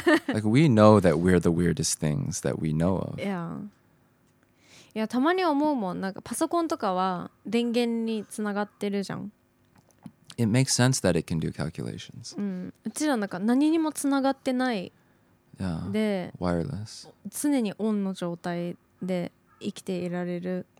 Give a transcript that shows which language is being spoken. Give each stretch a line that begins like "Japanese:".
English: Like, we know that we're the weirdest things that we know of.
Japanese: Yeah. いや、たまに思うもん。なんかパソコンとかは電源につながってるじゃん。
English: It makes sense that it can do calculations.
Japanese: うん。うちらなんか何にもつながってない。
English: Yeah.
Japanese: で、
English: wireless.
Japanese: 常にオンの状態で生きていられる。